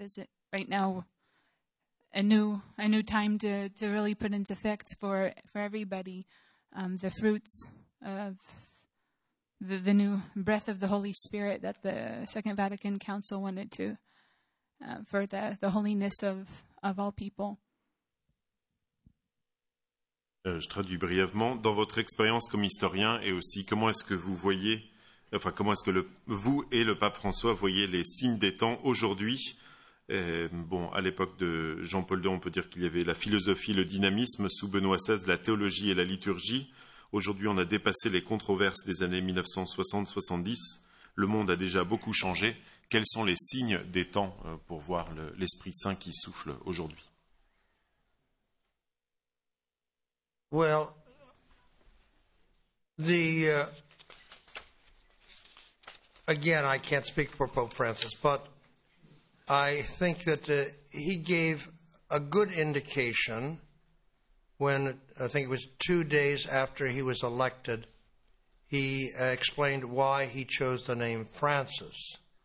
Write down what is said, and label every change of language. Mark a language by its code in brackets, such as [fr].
[en] Is it right now a new time to really put into effect for everybody the fruits of the new breath of the Holy Spirit that the Second Vatican Council wanted to for the holiness of all people? [fr] Je traduis brièvement. Dans votre expérience comme historien, et aussi comment est-ce que vous voyez, enfin comment est-ce que vous et le pape François voyez les signes des temps aujourd'hui? Bon, à l'époque de Jean-Paul II, on peut dire qu'il y avait la philosophie, le dynamisme, sous Benoît XVI, la théologie et la liturgie. Aujourd'hui, on a dépassé les controverses des années 1960-70. Le monde a déjà beaucoup changé. Quels sont les signes des temps pour voir l'Esprit Saint qui souffle aujourd'hui? [en] Well, again, I can't speak for Pope Francis, but I think that he gave a good indication when, I think it was 2 days after he was elected, he explained why he chose the name Francis.